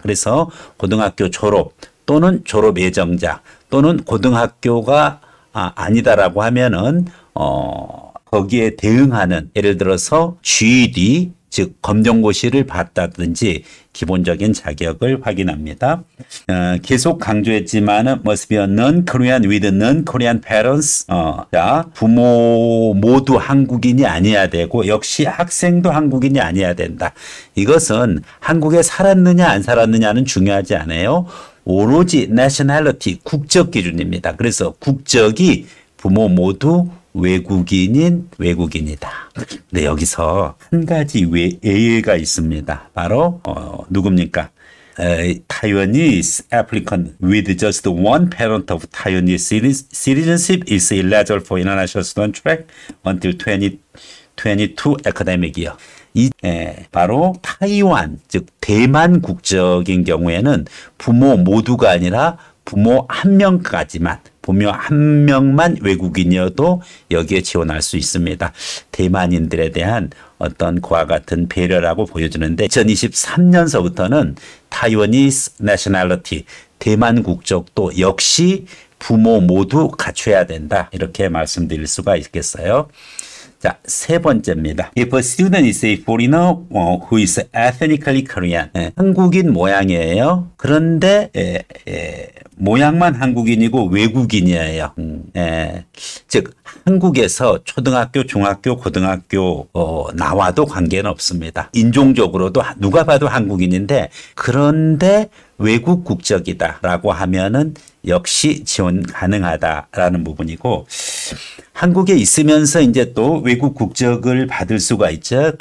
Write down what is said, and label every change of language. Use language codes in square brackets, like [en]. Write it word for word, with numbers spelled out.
[ko] 그래서 고등학교 졸업 또는 졸업 예정자 또는 고등학교가 아니다라고 하면은 어 거기에 대응하는 예를 들어서 지이디 즉 검정고시를 봤다든지 기본적인 자격을 확인합니다. 어, 계속 강조했지만은 [en] must be a non-Korean with non-Korean parents. [ko] 어, 자, 부모 모두 한국인이 아니어야 되고 역시 학생도 한국인이 아니어야 된다. 이것은 한국에 살았느냐 안 살았느냐는 중요하지 않아요. 오로지 nationality 국적 기준입니다. 그래서 국적이 부모 모두 외국인인 외국인이다. 근데 여기서 한 가지 예외가 있습니다. 바로 어, 누굽니까? [en] 에, Taiwanese applicant with just one parent of Taiwanese citizenship is eligible for international student track until twenty twenty-two academic year. [ko] 이 에, 바로 타이완, 즉 대만 국적인 경우에는 부모 모두가 아니라 부모 한 명까지만, 부모 한 명만 외국인이어도 여기에 지원할 수 있습니다. 대만인들에 대한 어떤 그와 같은 배려라고 보여주는데 이천이십삼 년서부터는 [en] Taiwanese nationality, [ko] 대만 국적도 역시 부모 모두 갖춰야 된다. 이렇게 말씀드릴 수가 있겠어요. 자, 세 번째입니다. [en] If a student is a foreigner who is ethnically Korean. [ko] 예, 한국인 모양이에요. 그런데 예, 예, 모양만 한국인이고 외국인이에요. 음, 예, 즉 한국에서 초등학교, 중학교, 고등학교 어, 나와도 관계는 없습니다. 인종적으로도 누가 봐도 한국인인데 그런데 외국 국적이다라고 하면은 역시 지원 가능하다라는 부분이고, 한국에 있으면서 이제 또 외국 국적을 받을 수가 있죠.